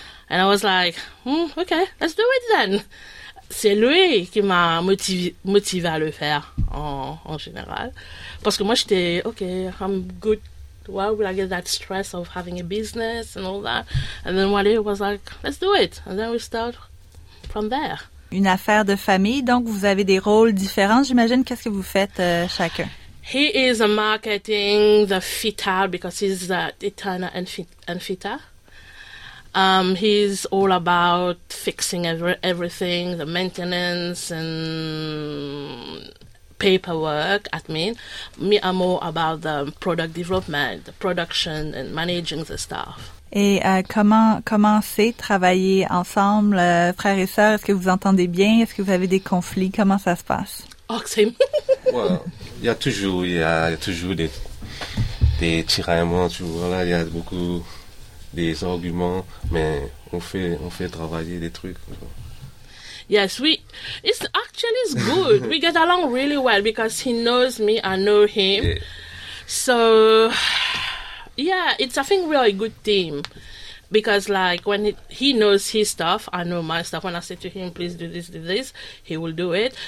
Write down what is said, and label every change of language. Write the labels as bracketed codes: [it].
[en] And I was like, okay, let's do it then. [fr] C'est lui qui m'a motivé à le faire en général. Parce que moi, j'étais, [en] okay, I'm good. Why would I get that stress of having a business and all that? And then Wally was like, let's do it. And then we start from there. [fr] Une affaire de famille, donc vous avez des rôles différents. J'imagine, qu'est-ce que vous faites chacun? [en] He is a marketing, the fitter, because he's the eternal and fitter. He's all about fixing everything, the maintenance and paperwork, admin. Me, I'm more about the product development, the production and managing the staff. [fr] Et comment c'est travailler ensemble, frères et sœurs? Est-ce que vous entendez bien? Est-ce que vous avez des conflits? Comment ça se passe? Oh, c'est... Well, il y a toujours des tiraillements, tu vois, là, il y a beaucoup... des arguments, mais on fait travailler des trucs. [en] Yes, it's good. We get along really well because he knows me, I know him. Yeah. So, yeah, it's, I think, really a good team. Because, like, when he knows his stuff, I know my stuff. When I say to him, please do this, he will do it.